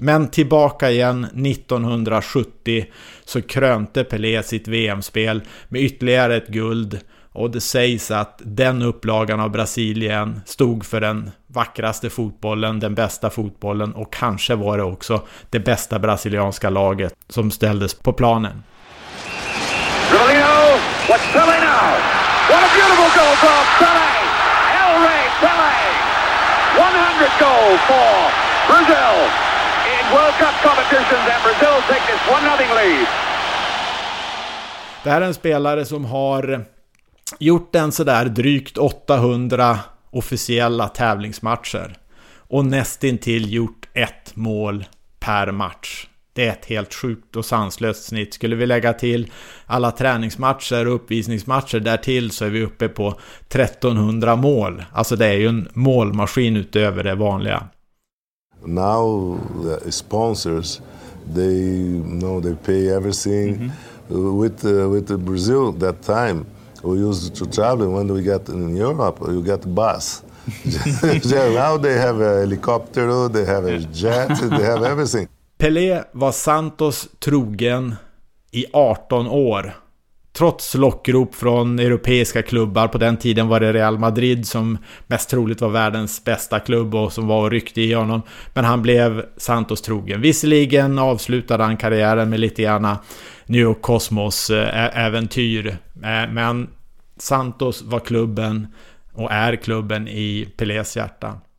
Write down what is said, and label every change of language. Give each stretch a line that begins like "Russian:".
Swedish: Men tillbaka igen 1970 så krönte Pelé sitt VM-spel med ytterligare ett guld. Och det sägs att den upplagan av Brasilien stod för den vackraste fotbollen, den bästa fotbollen och kanske var det också det bästa brasilianska laget som ställdes på planen.
English: Ronaldo, what's Pelé now? What a beautiful goal for Pelé! El Rey Pelé! 100 goal for Brazil! In World Cup competitions and Brazil take this 1-0 lead.
Swedish: Det här är en spelare som har gjort en sådär drygt 800 officiella tävlingsmatcher och nästintill gjort ett mål per match. Det är ett helt sjukt och sanslöst snitt. Skulle vi lägga till alla träningsmatcher och uppvisningsmatcher därtill så är vi uppe på 1300 mål. Alltså det är ju en målmaskin utöver det vanliga.
English: Now the sponsors, they know they pay everything. Mm-hmm. With the Brazil that time, we used to travel. When we get in Europe, you get a bus. Now they have a helicopter, they have a jet, they have everything.
Swedish: Pelé var Santos trogen i 18 år. Trots lockrop från europeiska klubbar, på den tiden var det Real Madrid som mest troligt var världens bästa klubb och som var och ryckte i honom. Men han blev Santos trogen. Visserligen avslutade han karriären med lite gärna New York Cosmos äventyr, men Santos var klubben och är klubben i Pelés hjärta.